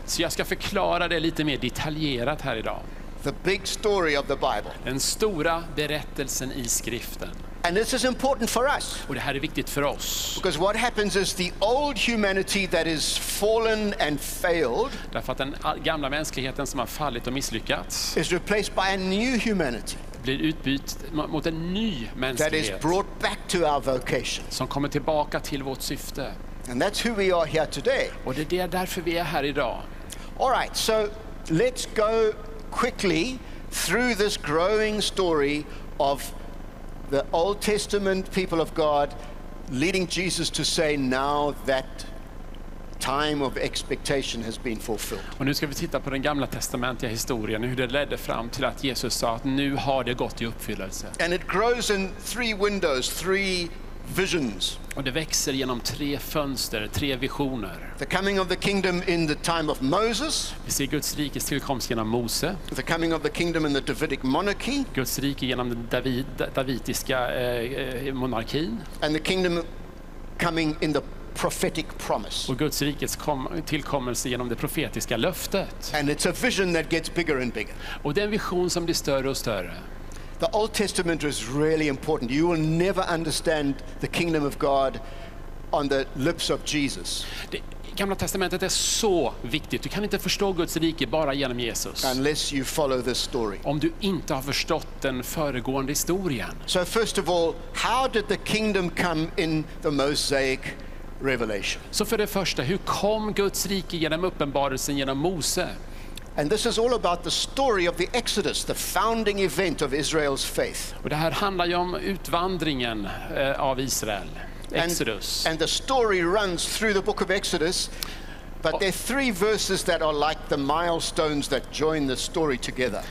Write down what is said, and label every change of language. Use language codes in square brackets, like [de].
[sv] Så jag ska förklara det lite mer detaljerat här idag. [en] The big story of the Bible. [sv] Den stora berättelsen i skriften. [en] And this is important for us. [sv] Och det här är viktigt för oss. [en] Because what happens is the old humanity that is fallen and failed. [sv] Därför att den gamla mänskligheten som har fallit och misslyckats. [en] Is replaced by a new humanity. [sv] Blir utbytt mot en ny mänsklighet. [en] That is brought back to our vocation. [sv] Som kommer tillbaka till vårt syfte. [en] And that's who we are here today. [sv] Och det är därför vi är här idag. [en] All right, so let's go quickly through this growing story of the Old Testament people of God leading Jesus to say now that time of expectation has been fulfilled. [sv] Och nu ska vi titta på den gamla testamentliga historien, hur det ledde fram till att Jesus sa att nu har det gått i uppfyllelse. [en] And it grows in three windows, three visions. [sv] Och det växer genom tre fönster, tre visioner. [en] The coming of the kingdom in the time of Moses. [sv] Vi ser Guds rikes tillkomst genom Mose. [en] The coming of the kingdom in the Davidic monarchy. [sv] Guds rike genom den davidiska monarkin. [en] And the kingdom coming in the prophetic promise. [sv] Och Guds rikes tillkommelse genom det profetiska löftet. [en] And it's a vision that gets bigger and bigger. [sv] Och det är en vision som blir större och större. [en] The Old Testament is really important. You will never understand the kingdom of God on the lips of Jesus. [sv] Det gamla testamentet är så viktigt. Du kan inte förstå Guds rike bara genom Jesus. [en] Unless you follow this story. [sv] Om du inte har förstått den föregående historien. [en] So first of all, how did the kingdom come in the Mosaic revelation? [sv] Så för det första, hur kom Guds rike genom uppenbarelsen genom Mose? [en] And this is all about the story of the Exodus, the founding event of Israel's faith. [sv] Och det här handlar ju om utvandringen av Israel. Exodus. [en] And the story runs through the book of Exodus, but there are three verses that are like the milestones that join the story together.